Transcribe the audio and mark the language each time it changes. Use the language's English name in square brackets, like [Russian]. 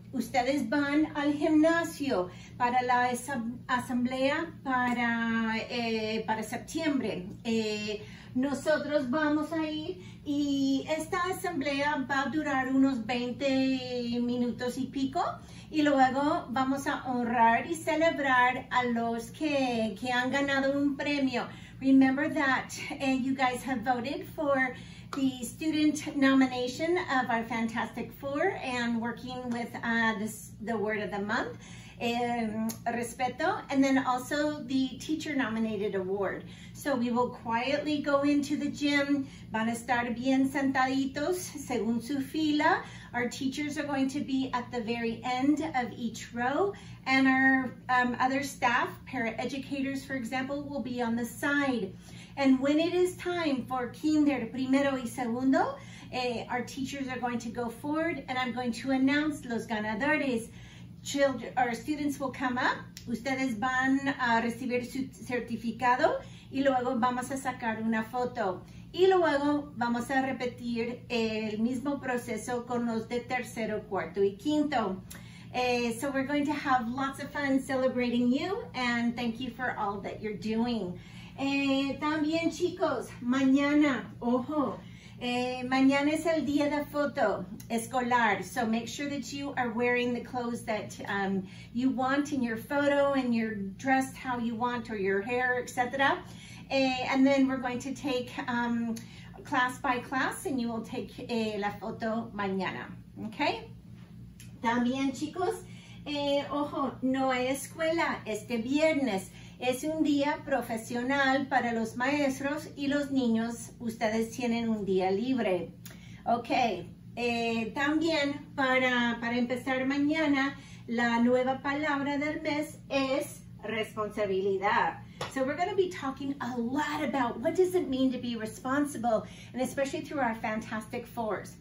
[Spanish] Ustedes van al gimnasio para la asamblea para septiembre. Nosotros vamos a ir y esta asamblea va a durar unos 20 minutos y pico. Y luego vamos a honrar y celebrar a los que han ganado un premio. [English] Remember that you guys have voted for the student nomination of our Fantastic Four and working with the Word of the Month, Respeto, and then also the Teacher Nominated Award. So we will quietly go into the gym. [Spanish] Van a estar bien sentaditos según su fila. [English] Our teachers are going to be at the very end of each row, and our other staff, paraeducators, for example, will be on the side. And when it is time for kinder, [Spanish] primero y segundo, [English] our teachers are going to go forward and I'm going to announce [Spanish] los ganadores. [English] Children, our students will come up, [Spanish] ustedes van a recibir su certificado y luego vamos a sacar una foto. Y luego vamos a repetir el mismo proceso con los de tercero, cuarto y quinto. [English] So we're going to have lots of fun celebrating you and thank you for all that you're doing. [Spanish] También chicos, mañana, ojo, mañana es el día de foto escolar. [English] So make sure that you are wearing the clothes that you want in your photo and you're dressed how you want or your hair, etc. And then we're going to take class by class and you will take [Spanish] la foto mañana. [English] Okay? También chicos, ojo, no hay escuela este viernes. Es un día profesional para los maestros y los niños. [Spanish] Ustedes tienen un día libre. Ok. También para empezar mañana, la nueva palabra del mes es responsabilidad. [English] So we're going to be talking a lot about what does it mean to be responsible, and especially through our Fantastic Fours.